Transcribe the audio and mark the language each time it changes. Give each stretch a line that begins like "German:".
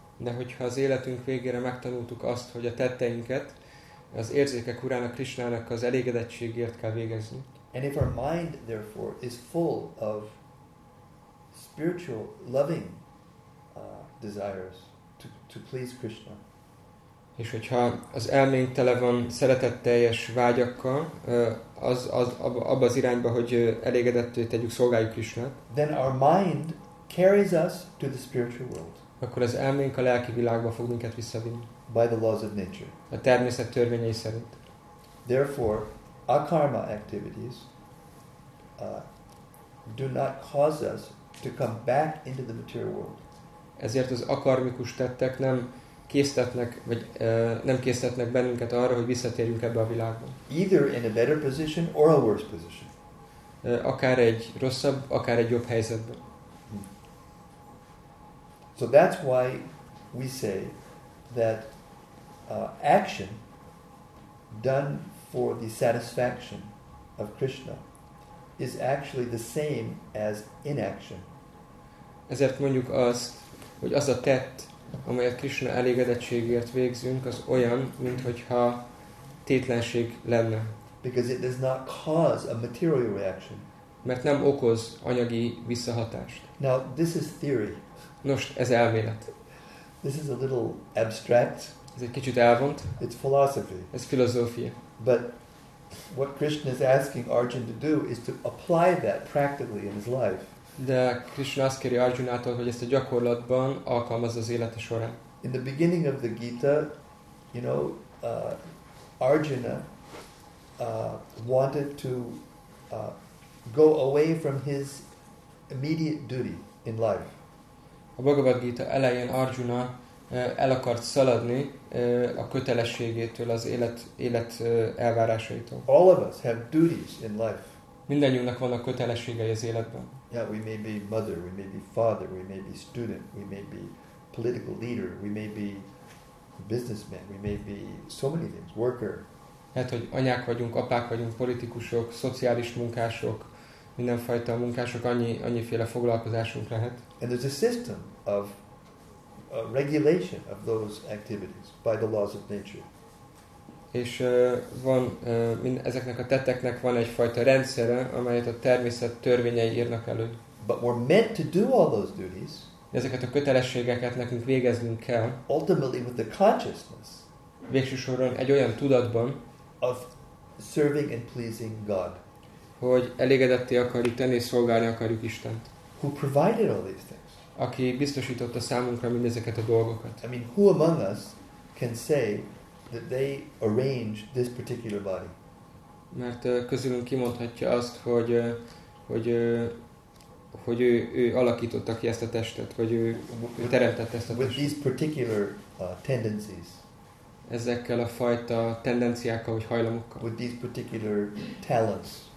Hungarian: De hogyha az életünk végére megtanultuk azt, hogy a tetteinket az érzékek urának, Krishnának az elégedettségért kell végezni.
English: And if our mind therefore is full of spiritual loving desires to please Krishna.
Hungarian: És hogyha az elménk tele van szeretetteljes vágyakkal, abba az irányba, hogy elégedettő tegyük, szolgáljuk Krishnát.
English: Then our mind carries us to the spiritual world.
Hungarian: Akkor az elménk a lelki világba fog minket visszavinni.
English: By the laws of nature.
Hungarian: A természet törvényei szerint.
English: Therefore, akarma activities do not cause us to come back into the material world.
Hungarian: Ezért az akarmikus tettek nem késztetnek, vagy nem késztetnek bennünket arra, hogy visszatérjünk ebbe a világba.
English: Either in a better position or a worse position.
Hungarian: Akár egy rosszabb, akár egy jobb helyzetben.
English: So that's why we say that action done for the satisfaction of Krishna is actually the same as inaction.
Hungarian: Ezért mondjuk azt, hogy az a tett, amelyet Krishna elégedettségért végzünk, az olyan, minthogyha tétlenség lenne.
English: Because it does not cause a material reaction.
Hungarian: Mert nem okoz anyagi visszahatást.
English: Now, this is theory.
Hungarian: Nos, ez elmélet.
English: This is a little abstract.
Hungarian: Ez egy kicsit elvont.
English: It's philosophy.
Hungarian: Ez filozófia.
English: But what Krishna is asking Arjuna to do is to apply that practically in his life.
Hungarian: De Krishna azt kéri Arjunától, hogy ezt a gyakorlatban alkalmazza az élete során.
English: In the beginning of the Gita, you know, Arjuna wanted to go away from his immediate duty in life.
Hungarian: A Bhagavad Gita elején Arjuna el akart szaladni a kötelességétől, az élet elvárásaitól.
English: All of us have duties in life.
Hungarian: Mindannyiunknak vannak kötelességei az életben.
English: Yeah, we may be mother, we may be father, we may be student, we may be political leader, we may be businessman, we may be so many things, worker.
Hungarian: Hát, hogy anyák vagyunk, apák vagyunk, politikusok, szociális munkások, mindenfajta munkások, annyiféle foglalkozásunk lehet.
English: And there's a system of a regulation of those activities by the laws of nature.
Hungarian: És van ezeknek a tetteknek van egyfajta rendszere, amelyet a természet törvényei írnak elő.
English: But we're meant to do all those duties.
Hungarian: Ezeket a kötelességeket nekünk végeznünk kell.
English: Ultimately with the consciousness.
Hungarian: Végső soron egy olyan tudatban,
English: of serving and pleasing God.
Hungarian: Hogy elégedetté akarjuk tenni, szolgálni akarjuk Istent.
English: Who provided all these things?
Hungarian: Aki biztosította számunkra mindezeket a dolgokat.
English: I mean, who among us can say that they arranged this particular body?
Hungarian: Mert közülünk kimondhatja azt, hogy ő alakította ki ezt a testet, vagy ő teremtette ezt a testet.
English: With these particular tendencies.
Hungarian: Ezekkel a fajta tendenciákkal, vagy hajlamokkal.
English: With these particular talents.